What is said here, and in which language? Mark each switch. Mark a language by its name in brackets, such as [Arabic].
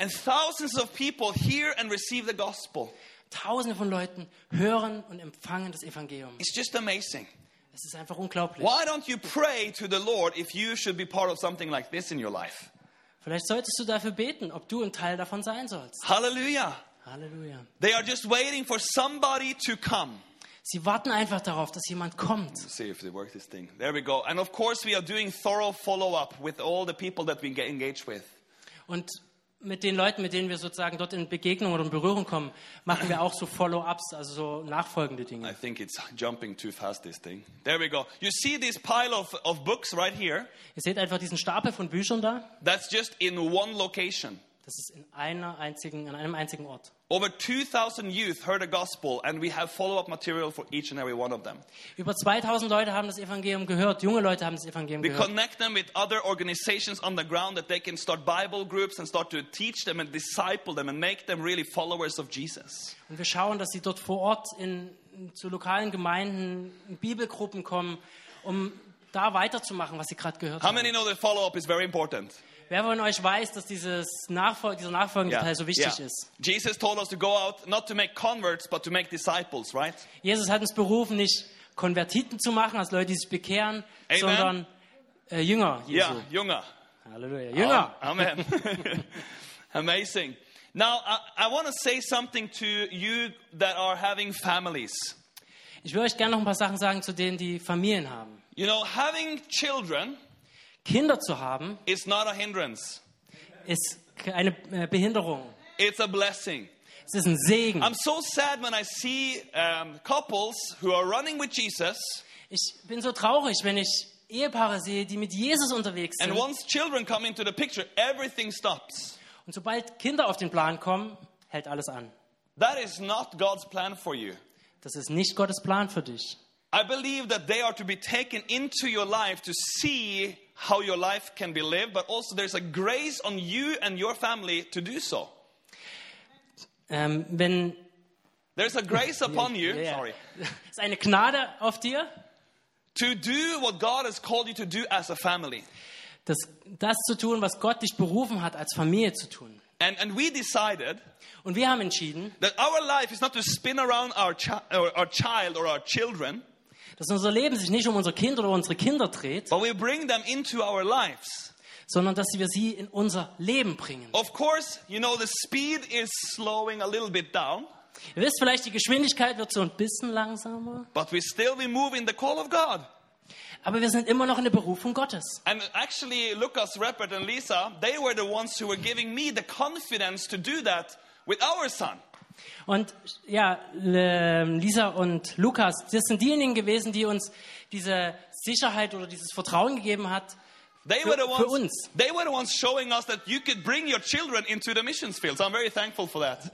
[English] And thousands of people hear and receive the gospel. [German] Tausende von Leuten hören und empfangen das Evangelium. [English] It's just amazing. [German] Es ist einfach unglaublich. [English] Why don't you pray to the Lord if you should be part of something like this in your life? [German] Vielleicht solltest du dafür beten, ob du ein Teil davon sein sollst. Hallelujah. Halleluja. [English] They are just waiting for somebody to come. [German] Sie warten einfach darauf, dass jemand kommt. [English] Let's see if they work this thing. There we go. And of course we are doing thorough follow-up with all the people that we engage with. [German] Und mit den Leuten, mit denen wir sozusagen dort in Begegnung oder in Berührung kommen, machen wir auch so Follow-ups, also so nachfolgende Dinge. [English] I think it's jumping too fast, this thing. There we go. You see this pile of books right here? [German] Ihr seht einfach diesen Stapel von Büchern da? [English] That's just in one location. [German] Das ist in einem einzigen Ort. [English] Over 2,000 youth heard the gospel, and we have follow-up material for each and every one of them. [German] Über 2,000 Leute haben das Evangelium gehört. Junge Leute haben das Evangelium gehört. [English] We connect them with other organizations on the ground that they can start Bible groups and start to teach them and disciple them and make them really followers of Jesus. [German] Und wir schauen, dass sie dort vor Ort zu lokalen Gemeinden, in Bibelgruppen kommen, um da weiterzumachen, was sie gerade gehört haben. [English] How many know that follow-up is very important? [German] Wer von euch weiß, dass dieser nachfolgende Teil so wichtig ist? [English] Jesus told us to go out not to make converts but to make disciples, right? [German] Jesus hat uns berufen, nicht Konvertiten zu machen, als Leute, die sich bekehren, amen, sondern Jünger Jesu. Ja, Jünger. Halleluja. Jünger. [English] Amen. Amazing. Now I want to say something to you that are having families. [German] Ich will euch gerne noch ein paar Sachen sagen zu denen, die Familien haben. [English] You know, having children, [German] Kinder zu haben, [English] it's not a hindrance. [German] Ist eine Behinderung. [English] It's a blessing. [German] Es ist ein Segen. [English] I'm so sad when I see couples who are running with Jesus. [German] Ich bin so traurig, wenn ich Ehepaare sehe, die mit Jesus unterwegs sind. [English] And once children come into the picture, everything stops. [German] Und sobald Kinder auf den Plan kommen, hält alles an. [English] That is not God's plan for you. [German] Das ist nicht Gottes Plan für dich. [English] I believe that they are to be taken into your life to see how your life can be lived, but also there's a grace on you and your family to do so. [German] Wenn [English] there's a grace upon you, sorry. [German] Es ist eine Gnade auf dir. [English] To do what God has called you to do as a family. [German] Das zu tun, was Gott dich berufen hat, als Familie zu tun. [English] And we decided, [German] und wir haben entschieden, [English] that our life is not to spin around our child or our children, [German] dass unser Leben sich nicht um unsere Kinder oder unsere Kinder dreht, [English] but we bring them into our lives, [German] sondern dass wir sie in unser Leben bringen. [English] Of course, you know, the speed is slowing a little bit down. [German] Ihr wisst vielleicht, die Geschwindigkeit wird so ein bisschen langsamer. [English] But we move in the call of God. [German] Aber wir sind immer noch in der Berufung Gottes. [English] And actually, Lukas, Rupert and Lisa, they were the ones who were giving me the confidence to do that with our son. [German] Und ja, Lisa und Lukas, das sind diejenigen gewesen, die uns diese Sicherheit oder dieses Vertrauen gegeben hat für uns. [English] They were the ones showing us that you could bring your children into the missions fields. I'm very thankful for that.